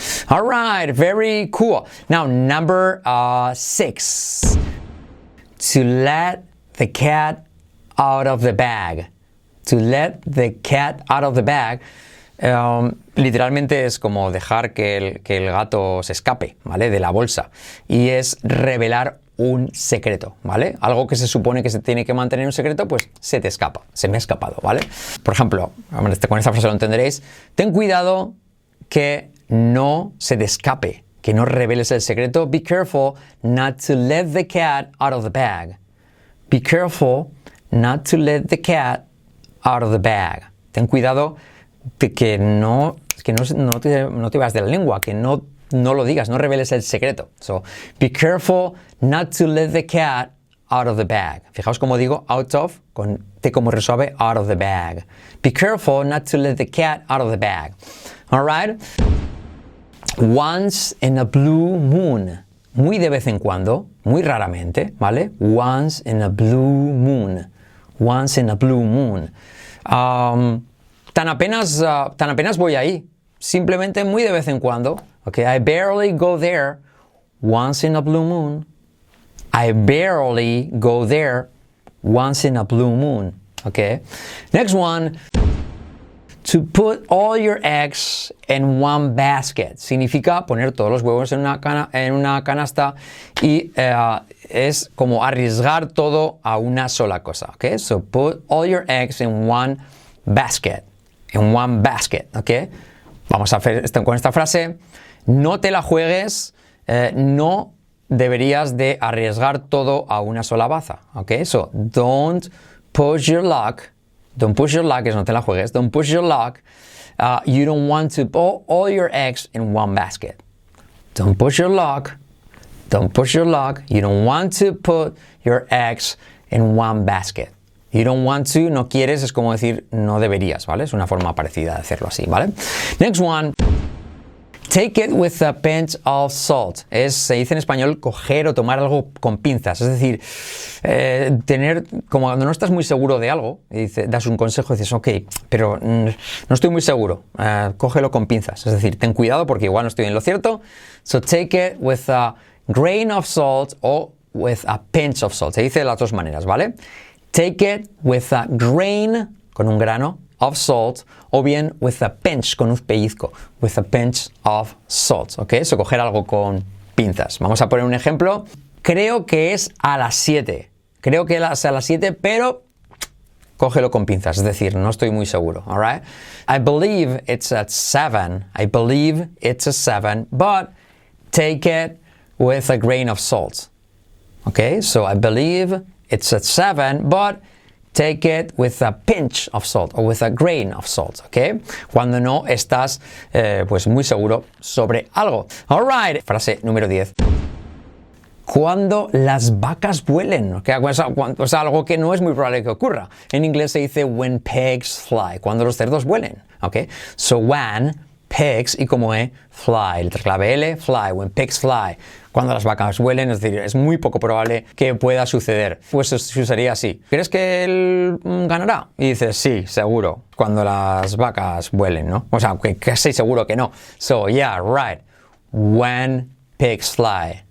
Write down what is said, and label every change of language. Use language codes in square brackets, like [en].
[en] All right, very cool. Now, number six. To let the cat out of the bag. To let the cat out of the bag. [es] Literalmente es como dejar que el gato se escape, ¿vale? De la bolsa. Y es revelar un secreto, ¿vale? Algo que se supone que se tiene que mantener un secreto, pues se te escapa. Se me ha escapado, ¿vale? Por ejemplo, con esta frase lo entenderéis. Ten cuidado que no se te escape, que no reveles el secreto. [en] Be careful not to let the cat out of the bag. Be careful not to let the cat out of the bag. [es] Ten cuidado de que no te vayas de la lengua, que no lo digas, no reveles el secreto. [en] So, be careful not to let the cat out of the bag. [es] Fijaos cómo digo out of, con T como resuave, [en] out of the bag. Be careful not to let the cat out of the bag. All right? Once in a blue moon. [es] Muy de vez en cuando, muy raramente, ¿vale? [en] Once in a blue moon. Once in a blue moon. [es] Tan apenas voy ahí. Simplemente muy de vez en cuando. [en] Okay, I barely go there once in a blue moon. I barely go there once in a blue moon. Okay. Next one. To put all your eggs in one basket. [es] Significa poner todos los huevos en una canasta y es como arriesgar todo a una sola cosa. [en] Okay? So put all your eggs in one basket. In one basket. Okay? [es] Vamos a hacer esto con esta frase. No te la juegues. No deberías de arriesgar todo a una sola baza. [en] Okay? So don't push your luck. Don't push your luck, [es] es no te la juegues. [en] Don't push your luck. You don't want to put all your eggs in one basket. Don't push your luck. Don't push your luck. You don't want to put your eggs in one basket. You don't want to, [es] no quieres, es como decir no deberías, ¿vale? Es una forma parecida de hacerlo así, ¿vale? [en] Next one. Take it with a pinch of salt. [es] Se dice en español coger o tomar algo con pinzas. Es decir, tener, como cuando no estás muy seguro de algo, das un consejo y dices, ok, pero no estoy muy seguro. Cógelo con pinzas. Es decir, ten cuidado porque igual no estoy en lo cierto. [en] So take it with a grain of salt o with a pinch of salt. [es] Se dice de las dos maneras, ¿vale? [en] Take it with a grain, [es] con un grano, [en] of salt, [es] o bien [en] with a pinch, [es] con un pellizco, [en] with a pinch of salt, ¿ok? [es] Eso, coger algo con pinzas. Vamos a poner un ejemplo. Creo que es a las 7. Creo que es a las 7, pero cógelo con pinzas. Es decir, no estoy muy seguro, [en] all right? I believe it's at 7. I believe it's at 7, but take it with a grain of salt, ¿ok? So, I believe it's at 7, but take it with a pinch of salt or with a grain of salt, ¿ok? [es] Cuando no estás pues muy seguro sobre algo. [en] All right. [es] Frase número 10. Cuando las vacas vuelen, ¿okay? O sea, algo que no es muy probable que ocurra. En inglés se dice [en] when pigs fly, [es] cuando los cerdos vuelen, ¿ok? [en] So when pigs [es] y como E, [en] fly. [es] Letra clave L, [en] fly, when pigs fly. [es] Cuando las vacas vuelen, es decir, es muy poco probable que pueda suceder. Pues se usaría así. ¿Crees que él ganará? Y dices, sí, seguro, cuando las vacas vuelen, ¿no? O sea, que casi seguro que no. [en] So, yeah, right, when pigs fly.